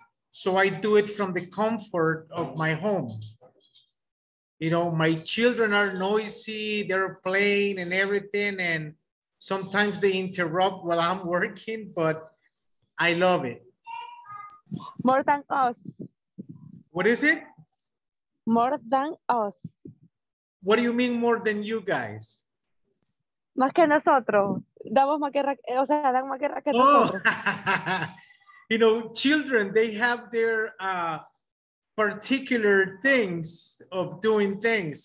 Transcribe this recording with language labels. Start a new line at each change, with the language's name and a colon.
English: So I do it from the comfort of my home. You know, my children are noisy, they're playing and everything, and sometimes they interrupt while I'm working, but I love it. More than us. What is it? More than us. What do you mean more than you guys?
Spanish: Más que nosotros. Damos más guerra, o sea, dan más guerra que nosotros.
English: You know, children, they have their particular things of doing things.